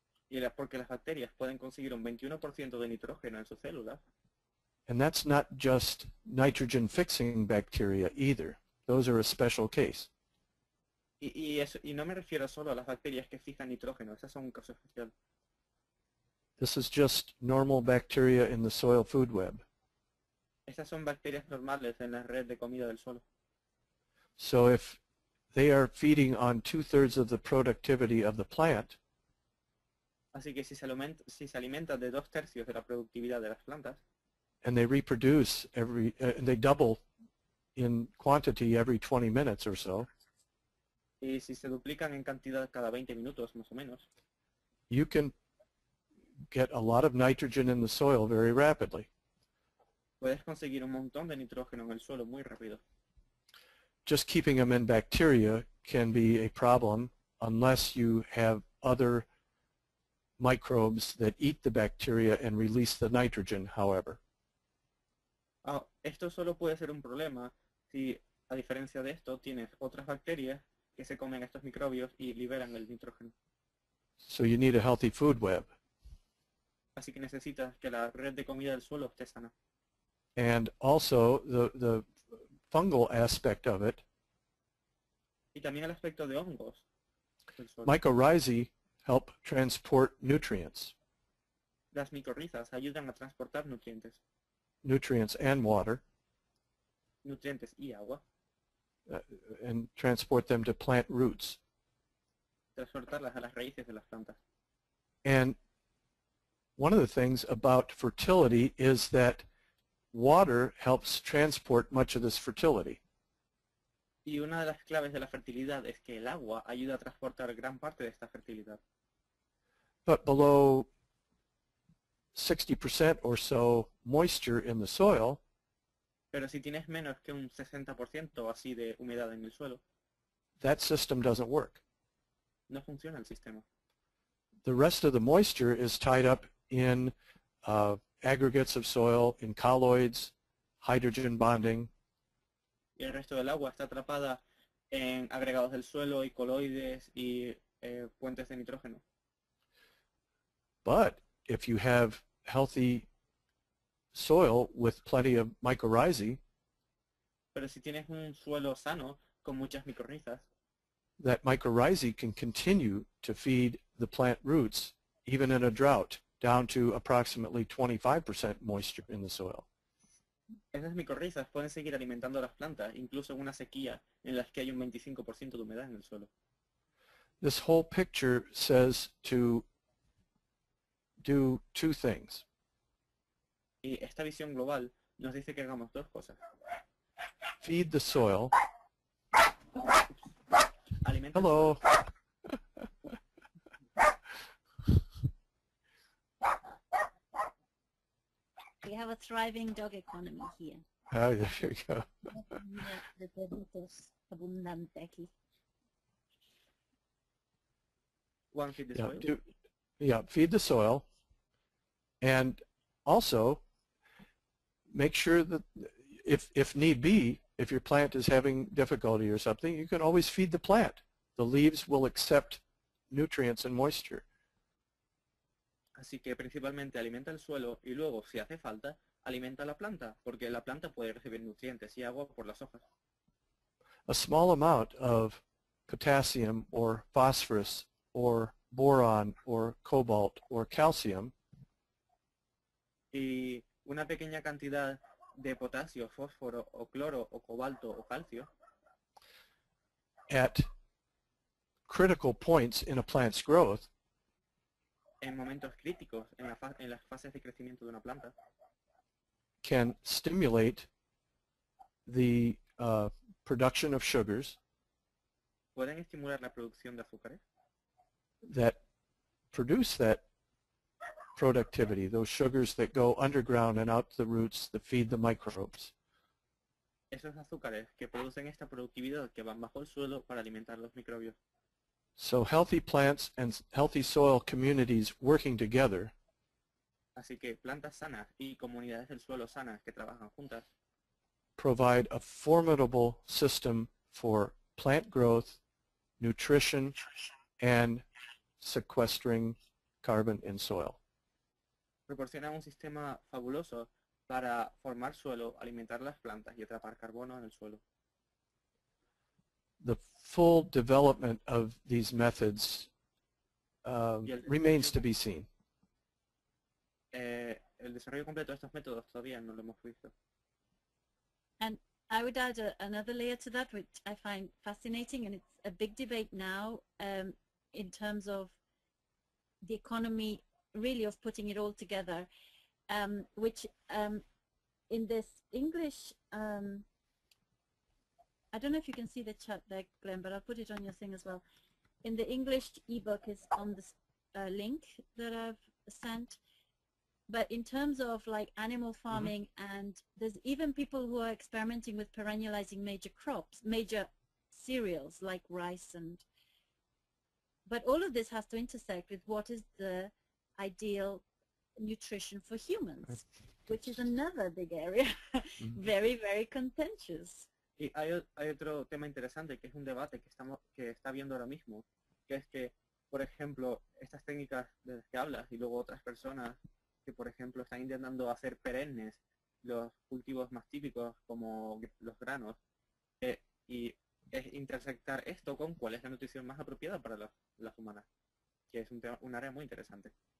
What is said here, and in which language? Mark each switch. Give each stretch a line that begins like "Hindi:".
Spanish: Y porque las bacterias pueden conseguir un 21% de nitrógeno en sus células.
English: And that's not just nitrogen fixing bacteria either. Those are a special case.
Spanish: Y no me refiero solo a las bacterias que fijan nitrógeno, esas son un caso especial.
English: This is just normal bacteria in the soil food web.
Spanish: Estas son bacterias normales en la red de comida del suelo.
English: So if they are feeding on 2/3 of the productivity of the plant,
Spanish: así que si se alimenta de 2/3 de la productividad de las plantas,
English: and they reproduce they double in quantity every 20 minutes or so,
Spanish: y si se duplican en cantidad cada 20 minutos más o menos,
English: you can get a lot of nitrogen in the soil very rapidly.
Spanish: Puedes conseguir un montón de nitrógeno en el suelo muy rápido.
English: Just keeping them in bacteria can be a problem unless you have other microbes that eat the bacteria and release the nitrogen, however.
Spanish: Oh, esto solo puede ser un problema si, a diferencia de esto, tienes otras bacterias que se comen estos microbios y liberan el nitrógeno.
English: So you need a healthy food web.
Spanish: Así que necesitas que la red de comida del suelo esté sana.
English: And also the fungal aspect of it.
Spanish: Y también el aspecto de hongos.
English: Mycorrhizae help transport nutrients.
Spanish: Las micorrizas ayudan a transportar nutrientes.
English: Nutrients and water.
Spanish: Nutrientes y agua.
English: And transport them to plant roots.
Spanish: Transportarlas a las raíces de las plantas.
English: And one of the things about fertility is that water helps transport much of this fertility.
Spanish: Y una de las claves de la fertilidad es que el agua ayuda a transportar gran parte de esta fertilidad.
English: But below 60% or so moisture in the soil,
Spanish: pero si tienes menos que un 60% así de humedad en el suelo,
English: that system doesn't work.
Spanish: No funciona el sistema.
English: The rest of the moisture is tied up in aggregates of soil, in colloids, hydrogen bonding.
Spanish: Y el resto del agua está atrapada en agregados del suelo y coloides y puentes de nitrógeno.
English: But if you have healthy soil with plenty of mycorrhizae,
Spanish: pero si tienes un suelo sano con muchas micorrizas,
English: that mycorrhizae can continue to feed the plant roots even in a drought down to approximately 25% moisture in the soil.
Spanish: Esas micorrizas pueden seguir alimentando a las plantas incluso en una sequía en las que hay un 25% de humedad en el suelo.
English: This whole picture says to do two things.
Spanish: Y esta visión global nos dice que hagamos dos cosas.
English: Feed the soil.
Spanish: Alimenta.
English: Hello. We have a thriving dog economy here. Oh, there you go.
Spanish: The perritos abundante aquí.
English: One, feed the soil. Yeah, feed the soil. And also, make sure that if need be, if your plant is having difficulty or something, you can always feed the plant. The leaves will accept nutrients and moisture.
Spanish: Así que principalmente alimenta el suelo y luego, si hace falta, alimenta la planta, porque la planta puede recibir nutrientes y agua por las hojas.
English: A small amount of potassium or phosphorus or boron or cobalt or calcium.
Spanish: Y una pequeña cantidad de potasio, fósforo o cloro o cobalto o calcio.
English: At critical points in a plant's growth.
Spanish: En momentos críticos en la en las fases de crecimiento de una planta.
English: Can stimulate the production of sugars.
Spanish: Pueden estimular la producción de azúcares.
English: That produce that productivity, those sugars that go underground and out the roots that feed the microbes.
Spanish: Esos azúcares que producen esta productividad que van bajo el suelo para alimentar los microbios.
English: So healthy plants and healthy soil communities working together.
Spanish: Así que plantas sanas y comunidades del suelo sanas que trabajan juntas.
English: Provide a formidable system for plant growth, nutrition, and sequestering carbon in soil.
Spanish: Proporciona un sistema fabuloso para formar suelo, alimentar las plantas y atrapar carbono en el suelo.
English: The full development of these methods remains to be seen.
Spanish: El desarrollo completo de estos métodos todavía no lo hemos visto.
English: And I would add another layer to that, which I find fascinating, and it's a big debate now in terms of the economy, really, of putting it all together, which in this English, I don't know if you can see the chat there, Glenn, but I'll put it on your thing as well. In the English ebook is on this link that I've sent. But in terms of like animal farming, mm-hmm. and there's even people who are experimenting with perennializing major crops, major cereals like rice and, but all of this has to intersect with what is the ideal nutrition for humans, which is another big area, mm-hmm. very, very contentious.
Spanish: Y hay otro tema interesante que es un debate que está viendo ahora mismo, que es que, por ejemplo, estas técnicas de las que hablas y luego otras personas que, por ejemplo, están intentando hacer perennes los cultivos más típicos como los granos, y es intersectar esto con cuál es la nutrición más apropiada para las humanas, que es un área muy interesante.